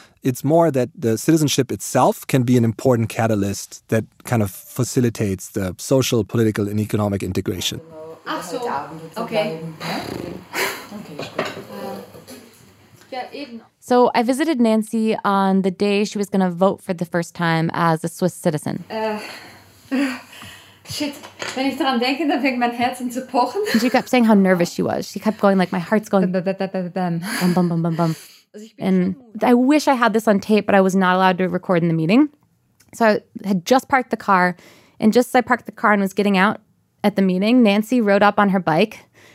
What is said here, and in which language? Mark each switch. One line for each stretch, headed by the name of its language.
English: It's more that the citizenship itself can be an important catalyst that kind of facilitates the social, political, and economic integration.
German: Ach so.
English: Okay. So I visited Nancy on the day she was going to vote for the first time as a Swiss citizen.
German: Wenn ich daran denke, dann fängt mein Herz an zu pochen.
English: And she kept saying how nervous she was. She kept going like, my heart's going. Bum, bum, bum, bum, bum. And I wish I had this on tape, but I was not allowed to record in the meeting. So I had just parked the car. And just as I parked the car and was getting out at the meeting, Nancy rode up on her bike.